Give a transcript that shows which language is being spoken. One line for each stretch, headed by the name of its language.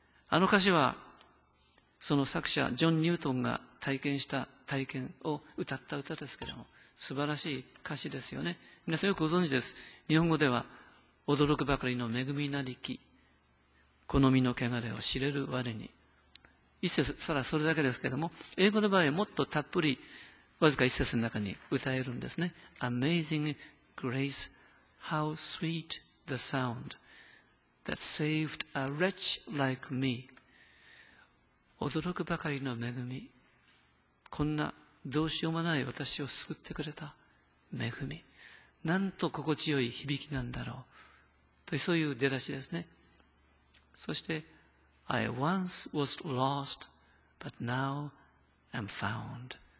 Japanese: あの歌詞は、その作者、ジョン・ニュートンが体験した体験を歌った歌ですけれども、素晴らしい歌詞ですよね。皆さんよくご存知です。日本語では、驚くばかりの恵みなりき、この身の汚れを知れる我に。一説、さらそれだけですけれども、英語の場合はもっとたっぷり、わずか一節の中に歌えるんですね。
English: Amazing grace, how sweet the sound that saved a wretch like me.
Japanese: 驚くばかりの恵み。こんなどうしようもない私を救ってくれた恵み。なんと心地よい響きなんだろう。というそういう出だしですね。そして、
English: I once was lost, but now am found.